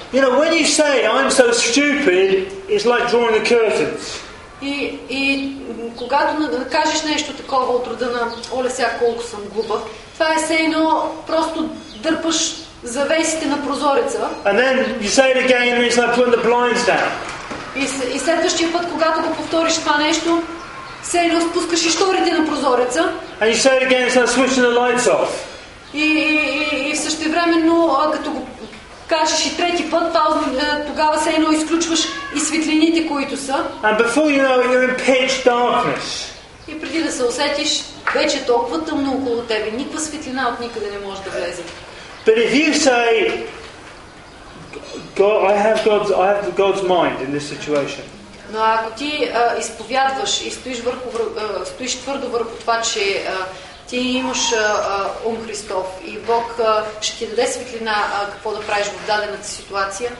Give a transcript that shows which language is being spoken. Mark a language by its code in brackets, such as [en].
[en] You know, when you say I'm so stupid, it's like drawing the curtains. [bg] И когато кажеш нещо такова от рода на оле сега колко съм глупа, това е все едно просто дърпаш завесите на прозореца. [en] And then you say it again and it's like putting the blinds down. [bg] И следващия път, когато го повториш това нещо, все едно спускаш и шторите на прозореца. [en] And you say it again, it's like switching the lights off. [bg] И същевременно, като го кажеш и трети път, тогава се едно изключваш и светлините, които са. [en] And before you know it, you're in pitch darkness. [bg] И преди да се усетиш, вече толкова тъмно около тебе, никаква светлина от никъде не може да влезе. [en] But if you say, God, I have God's mind in this situation. [bg] Но ако ти изповядваш и стоиш твърдо върху това, че ти имаш ум Христов и Бог ще ти даде светлина какво да правиш в дадената ситуация.